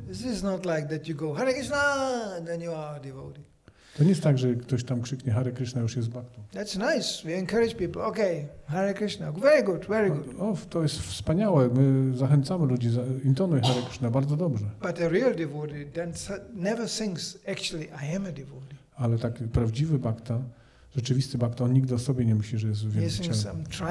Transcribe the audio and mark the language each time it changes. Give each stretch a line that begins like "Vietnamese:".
English: This is not like that you go Hare Krishna, then you are a devotee.
Polish: To nie jest tak, że ktoś tam krzyknie Hare Krishna, już jest baktą.
English: That's nice. We encourage people. Okay, Hare Krishna. Very good, very good.
Polish: To jest wspaniałe. My zachęcamy ludzi, intonuj Hare Krishna, bardzo dobrze.
English: But a real devotee never thinks actually I am a devotee.
Polish: Ale tak prawdziwy bakta, rzeczywisty bakta, on nigdy o sobie nie myśli, że jest wielbicielem.